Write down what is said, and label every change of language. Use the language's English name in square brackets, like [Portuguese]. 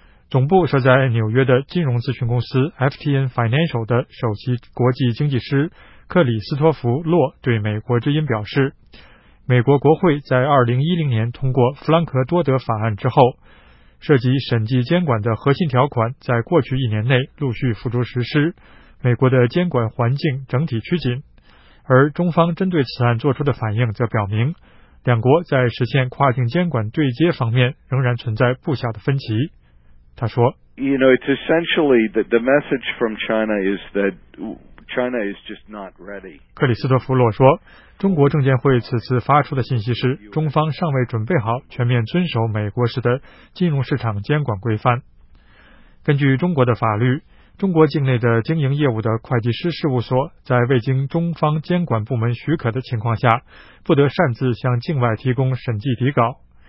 [Chinese] 总部设在纽约的金融咨询公司 FTN Financial 的首席国际经济师克里斯托弗·洛对美国之音表示，美国国会在2010年通过弗兰克多德法案之后，涉及审计监管的核心条款在过去一年内陆续付诸实施，美国的监管环境整体趋紧，而中方针对此案做出的反应则表明，两国在实现跨境监管对接方面仍然存在不小的分歧。他说， [English] You know, it's essentially that the message from China is that China is just not ready. [Chinese] 克里斯托弗洛说，中国证监会此次发出的信息是中方尚未准备好全面遵守美国式的金融市场监管规范。根据中国的法律，中国境内的经营业务的会计师事务所在未经中方监管部门许可的情况下，不得擅自向境外提供审计底稿。